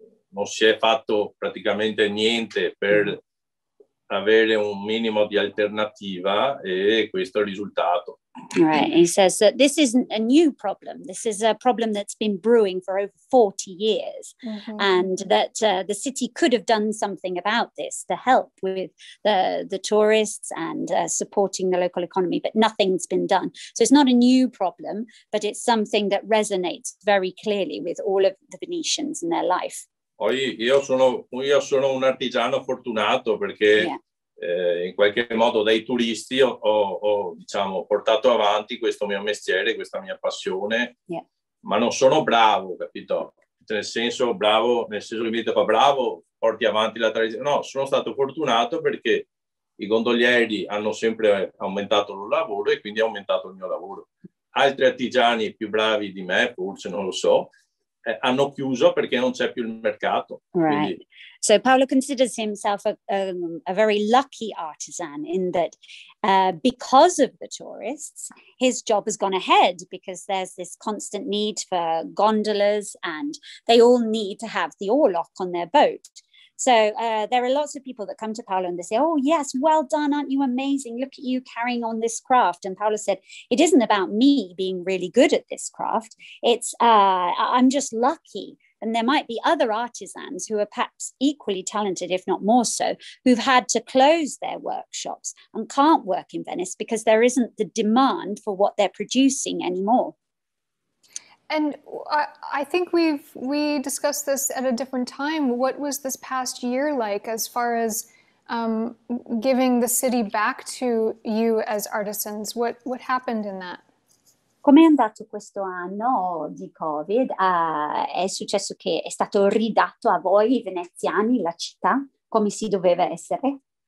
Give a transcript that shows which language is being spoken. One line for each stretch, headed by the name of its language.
Italian: Non si è fatto praticamente niente per avere un minimo di alternativa e questo è il risultato.
English: Right, he says that this isn't a new problem. This is a problem that's been brewing for over 40 years mm-hmm. and that the city could have done something about this to help with the tourists and supporting the local economy, but nothing's been done. So it's not a new problem, but it's something that resonates very clearly with all of the Venetians in their life.
Italian: Poi io sono un artigiano fortunato perché in qualche modo dai turisti ho diciamo portato avanti questo mio mestiere, questa mia passione, ma non sono bravo, capito? Nel senso che mi dico bravo, porti avanti la tradizione. No, sono stato fortunato perché i gondolieri hanno sempre aumentato il lavoro e quindi ha aumentato il mio lavoro. Altri artigiani più bravi di me, forse non lo so, hanno chiuso perché non c'è più il mercato.
English: Right.
Italian: Quindi...
English: So Paolo considers himself a very lucky artisan in that because of the tourists, his job has gone ahead because there's this constant need for gondolas and they all need to have the oarlock on their boat. So there are lots of people that come to Paolo and they say, oh, yes, well done, aren't you amazing? Look at you carrying on this craft. And Paolo said, it isn't about me being really good at this craft. It's I'm just lucky. And there might be other artisans who are perhaps equally talented, if not more so, who've had to close their workshops and can't work in Venice because there isn't the demand for what they're producing anymore. And I think we discussed this at a different time. What was this past year like as far as giving the city back to you as artisans? What happened in that?
Italian: Com'è andato questo anno di Covid? È successo che è stato ridato a voi, i veneziani, la città, come si doveva essere?